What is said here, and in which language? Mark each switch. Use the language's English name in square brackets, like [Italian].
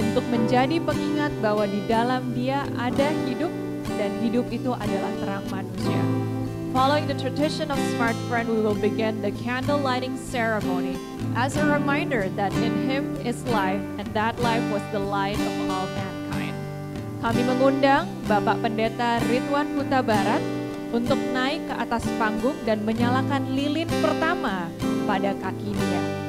[Indonesian] menjadi pengingat bahwa di dalam Dia ada hidup dan hidup itu adalah terang manusia. [English] Following the tradition of Smartfren, we will begin the candle lighting ceremony as a reminder that in Him is life and that life was the light of all mankind. [Indonesian] Kami mengundang Bapak Pendeta Ridwan Huta Barat untuk naik ke atas panggung dan menyalakan lilin pertama pada kaki Dia.